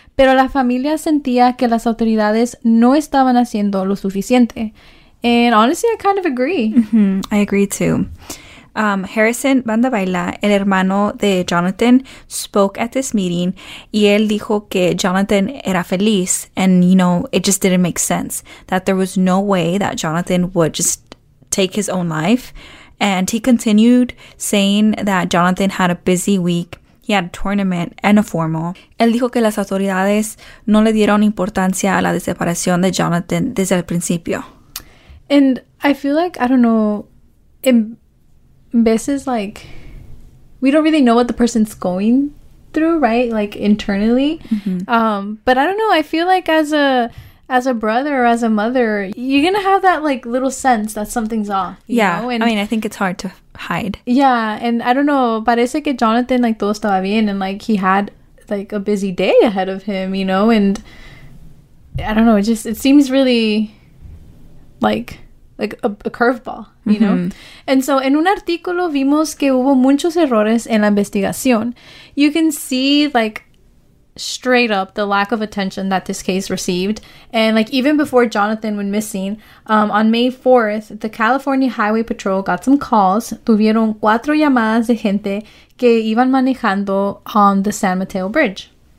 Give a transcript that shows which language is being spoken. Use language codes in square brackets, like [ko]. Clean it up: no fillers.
[es] Pero la familia sentía que las autoridades no estaban haciendo lo suficiente. [en] And honestly, I kind of agree. Mm-hmm. I agree too. Harrison Banda Baila, [es] el hermano de Jonathan, [en] spoke at this meeting [es] y él dijo que Jonathan era feliz [en] and, you know, it just didn't make sense that there was no way that Jonathan would just take his own life. And he continued saying that Jonathan had a busy week. He had a tournament and a formal. [es] Él dijo que las autoridades no le dieron importancia a la desaparición de Jonathan desde el principio. [en] And I feel like, I don't know, in veces, like, we don't really know what the person's going through, right? Like, internally. Mm-hmm. But I don't know. I feel like as a brother or as a mother, you're going to have that, like, little sense that something's off. You know? And, I mean, I think it's hard to hide. Yeah. And I don't know. [es] Parece que Jonathan, like, todo estaba bien. [en] And, like, he had, like, a busy day ahead of him, you know? And I don't know. It just, it seems really, like a curveball, you mm-hmm. know? [es] And so, en un artículo, vimos que hubo muchos errores en la investigación. [en] You can see, like, straight up the lack of attention that this case received. And, like, even before Jonathan went missing, on May 4th, the California Highway Patrol got some calls. [es] Tuvieron cuatro llamadas de gente que iban manejando [en] on the San Mateo Bridge.